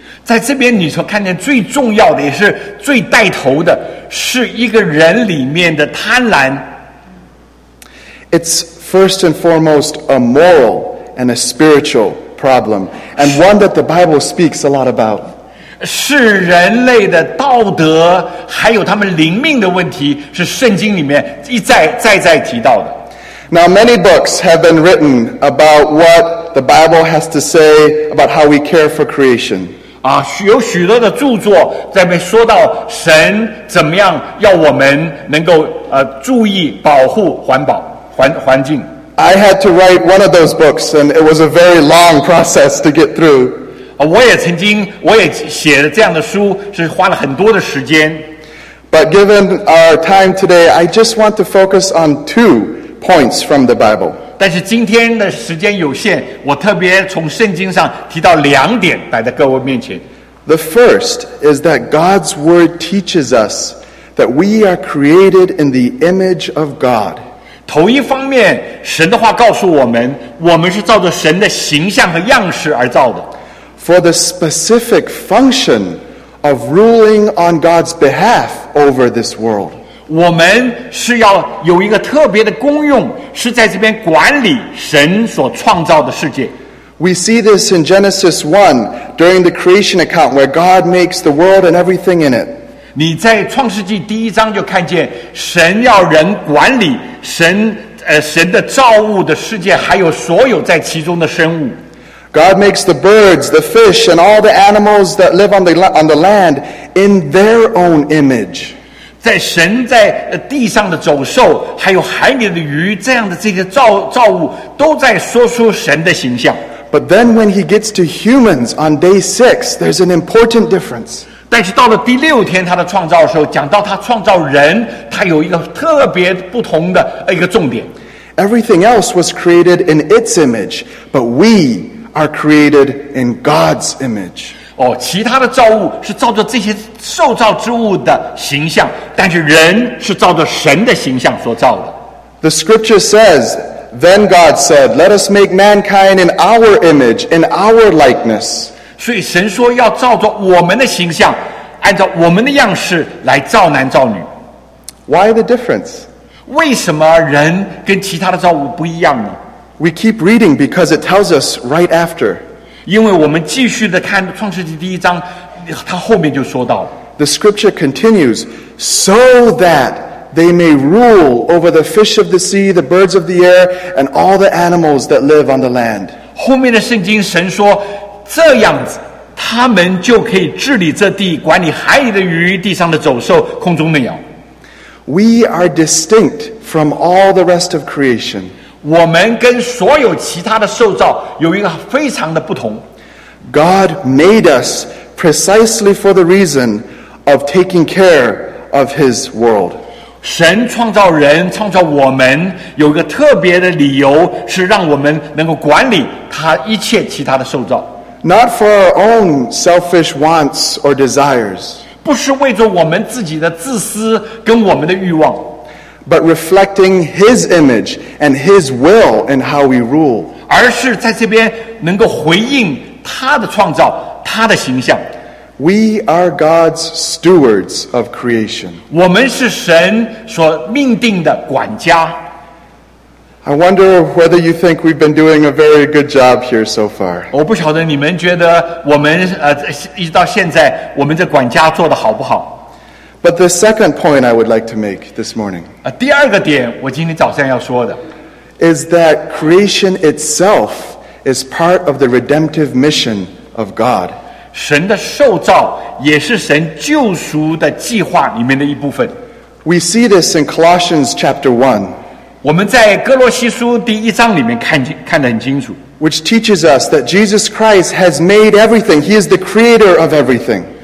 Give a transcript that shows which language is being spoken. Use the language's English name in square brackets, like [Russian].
[Chinese] 在这边你所看见最重要的也是最带头的是一个人里面的贪婪。 [English] It's first and foremost a moral and a spiritual problem, and one that the Bible speaks a lot about. [Chinese] 是人类的道德还有他们灵命的问题是圣经里面一再再再提到的。 [English] Now many books have been written about what the Bible has to say about how we care for creation. [Chinese] 有许多的著作在那边说到神怎么样要我们能够注意保护环保环境。 [English] I had to write one of those books, and it was a very long process to get through. [Chinese] 我也写了这样的书，是花了很多的时间。 [English] But given our time today, I just want to focus on two points from the Bible. [Chinese] 但是今天的时间有限，我特别从圣经上提到两点摆在各位面前。 [English] The first is that God's word teaches us that we are created in the image of God. [Chinese] 头一方面，神的话告诉我们，我们是照着神的形象和样式而造的。 [English] For the specific function of ruling on God's behalf over this world. [Chinese] 我们是要有一个特别的功用，是在这边管理神所创造的世界。 [English] We see this in Genesis 1, during the creation account where God makes the world and everything in it. [Chinese] 你在创世纪第一章就看见神要人管理神的造物的世界还有所有在其中的生物。 [English] God makes the birds, the fish, and all the animals that live on the land in their own image. [Chinese] 在神在地上的走兽还有海里的鱼这样的这些造物都在说出神的形象。 [English] But then when he gets to humans on day six, there's an important difference. [Chinese] 但是到了第六天他的创造的时候讲到他创造人他有一个特别不同的一个重点。 [English] Everything else was created in its image, but we are created in God's image. [Chinese] 哦，其他的造物是照着这些受造之物的形象，但是人是照着神的形象所造的。 [English] The scripture says, "Then God said, 'Let us make mankind in our image, in our likeness.'" [Chinese] 所以神说要照着我们的形象，按照我们的样式来造男造女。 [English] Why the difference? [Chinese] 为什么人跟其他的造物不一样呢？ [English] We keep reading because it tells us right after. [Chinese] 因为我们继续的看创世纪第一章，他后面就说到。 [English] The scripture continues, so that they may rule over the fish of the sea, the birds of the air, and all the animals that live on the land. [Chinese] 后面的圣经神说，这样子，他们就可以治理这地，管理海里的鱼，地上的走兽，空中的鸟。 [English] We are distinct from all the rest of creation. [Chinese] 我们跟所有其他的受造有一个非常的不同。 [English] God made us precisely for the reason of taking care of His world. [Chinese] 神创造人，创造我们，有一个特别的理由，是让我们能够管理他一切其他的受造。 [English] Not for our own selfish wants or desires. [Chinese] 不是为着我们自己的自私跟我们的欲望。 [English] But reflecting His image and His will in how we rule. [Chinese] 而是在这边能够回应他的创造，他的形象。 [English] We are God's stewards of creation. [Chinese] 我们是神所命定的管家。 [English] I wonder whether you think we've been doing a very good job here so far. [Chinese] 我不晓得你们觉得我们一直到现在我们这管家做得好不好。 [English] But the second point I would like to make this morning. [Chinese] 第二个点我今天早上要说的。 [English] Is that creation itself is part of the redemptive mission of God. [Chinese] 神的受造也是神救赎的计划里面的一部分。 [English] We see this in Colossians chapter 1. [Chinese] 我们在哥罗西书第一章里面看得很清楚。 [English] Which teaches us that Jesus Christ has made everything. He is the creator of everything.